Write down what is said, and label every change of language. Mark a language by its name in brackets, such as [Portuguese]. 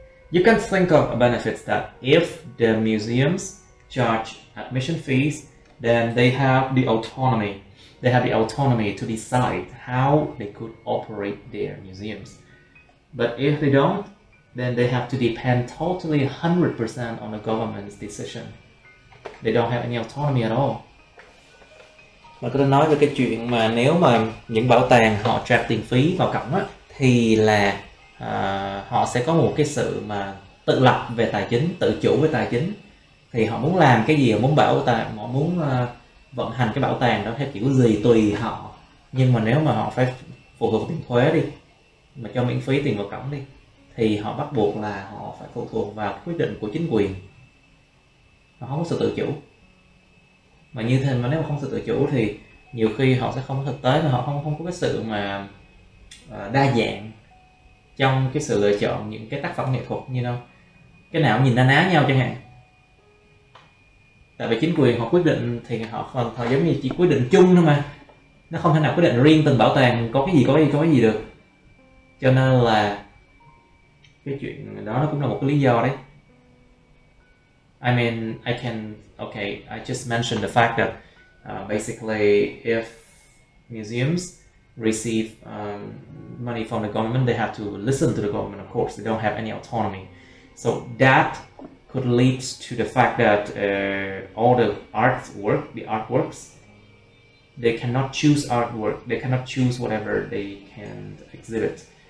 [English] You can think of benefits that if the museums charge admission fees, then they have the autonomy. They have the autonomy to decide how they could operate their museums. But if they don't, then they have to depend totally 100% on the government's decision. They don't have any autonomy at all. [Vietnamese] Mà có thể nói về cái chuyện mà nếu mà những bảo tàng họ trả tiền phí vào cổng á, thì là họ sẽ có một cái sự mà tự lập về tài chính, tự chủ về tài chính. Thì họ muốn làm cái gì, muốn bảo tàng, họ muốn vận hành cái bảo tàng đó theo kiểu gì tùy họ. Nhưng mà nếu mà họ phải phụ thuộc vào tiền thuế đi, mà cho miễn phí tiền vào cổng đi, thì họ bắt buộc là họ phải phụ thuộc vào quyết định của chính quyền. Họ không có sự tự chủ. Mà như thế, mà nếu mà không sự tự chủ thì nhiều khi họ sẽ không có thực tế, mà họ không có cái sự mà đa dạng trong cái sự lựa chọn những cái tác phẩm nghệ thuật, như đâu cái nào cũng nhìn na ná nhau chẳng hạn. Tại vì chính quyền họ quyết định thì họ giống như chỉ quyết định chung thôi mà, nó không thể nào quyết định riêng từng bảo tàng có cái gì có cái gì có cái gì được. Cho nên là cái chuyện đó nó cũng là một cái lý do đấy. [English] I mean, I just mentioned the fact that basically if museums receive money from the government, they have to listen to the government, of course, they don't have any autonomy. So that could lead to the fact that all the artwork, the artworks, they cannot choose artwork, they cannot choose whatever they can exhibit.